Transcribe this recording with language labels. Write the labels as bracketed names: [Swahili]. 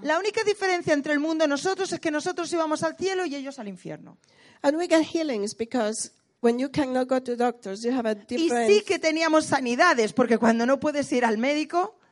[Spanish] La única diferencia entre el mundo y nosotros es que nosotros íbamos al cielo y ellos al infierno. [English] And we got healings because when you cannot go to doctors, you have a different. [Spanish] Y sí que teníamos sanidades porque cuando no puedes ir al médico,